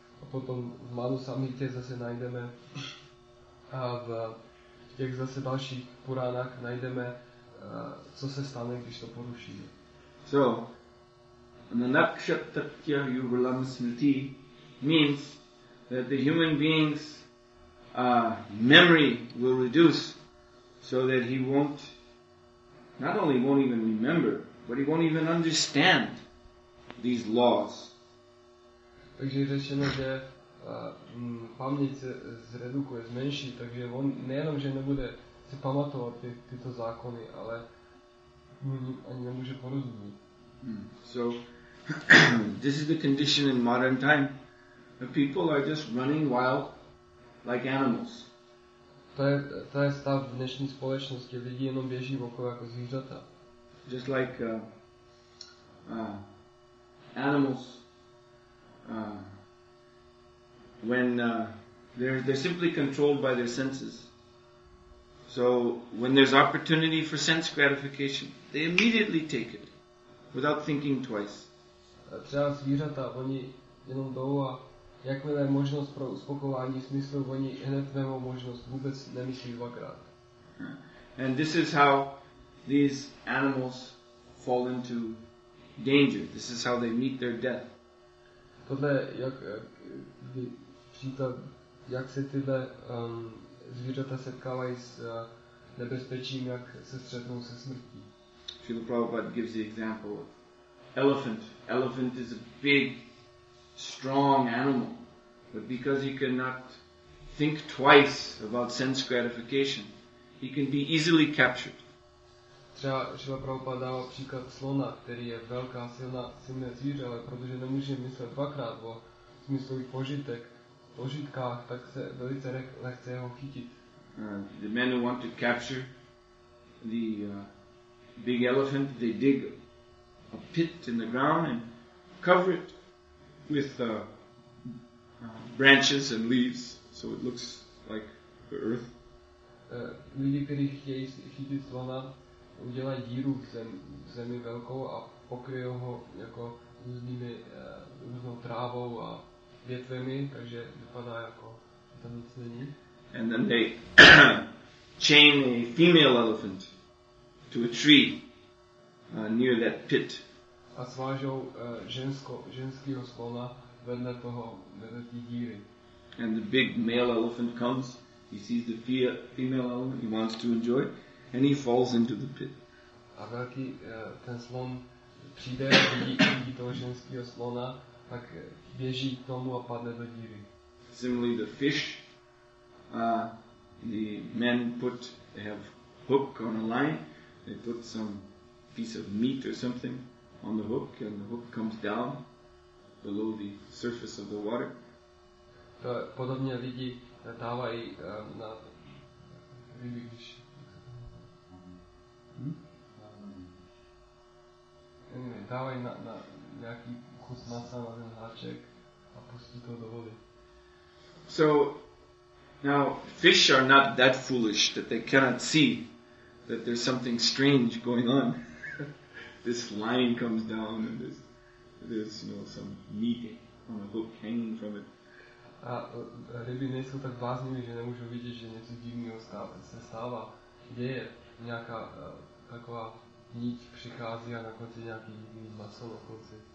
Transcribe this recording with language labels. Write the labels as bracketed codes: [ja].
[cs] A potom v Manu Samhitě zase najdeme a v těch zase dalších Puránách najdeme, co se stane, když to porušíme. [en] So, Nanakshatatya Yuvalam Smriti means that the human being's memory will reduce so that he won't, not only won't even remember, but he won't even understand these laws. [cs] Takže je řečeno, že paměť se zredukuje, zmenší, takže on nejenom, že nebude si pamatovat tyto zákony, ale ani nemůže porozumět. [en] So, this is the condition in modern time. The people are just running wild like animals. [cs] To je stav v dnešní společnosti. Lidi jenom běží okolo jako zvířata. [en] Just like animals, when they're simply controlled by their senses. So when there's opportunity for sense gratification, they immediately take it, without thinking twice. [cs] Třeba zvířata, oni jenom jdou a jakmile je možnost pro uspokojování smyslu, oni hned vemou možnost, vůbec nemyslí dvakrát. [en] And this is how these animals fall into danger. This is how they meet their death. [cs] Tohle, jak by příklad, jak se tyhle zvířata setkávají s nebezpečím, jak se střetnou se smrtí. [en] Srila Prabhupada gives the example of elephant. Elephant is a big, strong animal. But because he cannot think twice about sense gratification, he can be easily captured. [cs] Třeba Srila Prabhupada dává příklad slona, který je velká, silná, silné zvíře, ale protože nemůže myslet dvakrát o smyslových požitkách, tak se velice lehce jeho chytit. [en] The men who want to capture the big elephant, they dig a pit in the ground and cover it with branches and leaves, so it looks like the earth. [cs] Lidi, kteří chtějí chytit slona, udělají díru v zemi velkou a pokryjou ho jako různými různou trávou a větvemi, takže vypadá jako tam nic není. [en] And then they chain a female elephant to a tree near that pit. [cs] A svážou ženskýho slona vedle toho vedle té díry. [en] And the big male elephant comes. He sees the female elephant. He wants to enjoy, and he falls into the pit. [cs] A velký ten slon přijde, vidí toho ženskýho slona, tak běží k tomu a padne do díry. [en] Similarly, the fish. The men put, they have hook on a line, they put some piece of meat or something on the hook, and the hook comes down below the surface of the water. [cs] Podobně lidi dávají na ryby, když... Dávají na nějaký kus masa, na ten háček a pustí to do vody. [en] So, now, fish are not that foolish that they cannot see that there's something strange going on. This line comes down and there's you know, some meat on a hook hanging from it. [cs] A ryby nejsou tak vázniví, že nemůžou vidět, že něco divného se stává. Kde je nějaká taková niť přichází a na konci nějaký divný maso na konci.